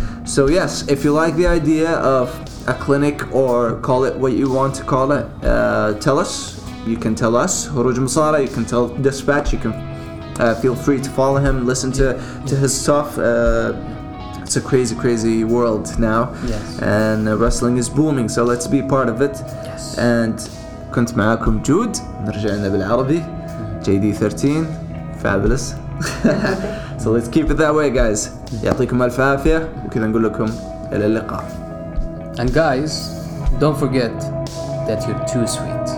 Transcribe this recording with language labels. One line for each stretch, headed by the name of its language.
English: So yes, if you like the idea of a clinic, or call it what you want to call it, tell us. You can tell us, Huruj Msara. You can tell Dispatch. You can feel free to follow him, listen to his stuff. It's a crazy, crazy world now. Yes. And wrestling is booming, so let's be part of it. Yes. And
Arabic: كنت معكم جود. نرجعنا بالعربي. JD13. Fabulous.
English: So let's keep it that way, guys.
Arabic: يعطيكم ألف عافية وكذا نقول لكم إلى اللقاء.
English: And guys, don't forget that you're too sweet.